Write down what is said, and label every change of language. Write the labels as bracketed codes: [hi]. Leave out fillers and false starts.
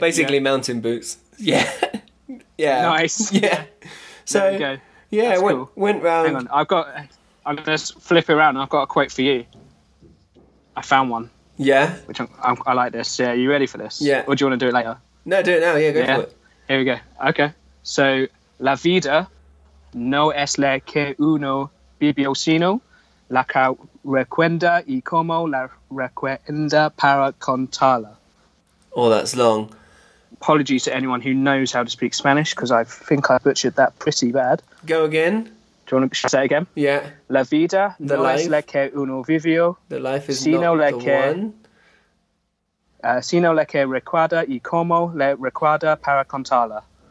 [en] Basically mountain boots. Yeah. Yeah. Nice. Yeah. So. There you go. Yeah, went round. Hang on, I'm going to flip it around. I've got a quote for you. I found one. Yeah? Which I like this. Yeah, are you ready for this? Yeah. Or do you want to do it later? No, do it now. Yeah, for it. Here we go. Okay. [es] So, la vida no es la que uno vivió sino la que recuerda y como la recuerda para contarla. [en] Oh, that's long. Apologies to anyone who knows how to speak Spanish, because I think I butchered that pretty bad. Go again. Do you want to say it again? Yeah. [es] La vida no es la que uno vivió. [en] The life is sino not la the [es] que, [en] one. [es] Sino la que recuerda y como le recuerda para contarla.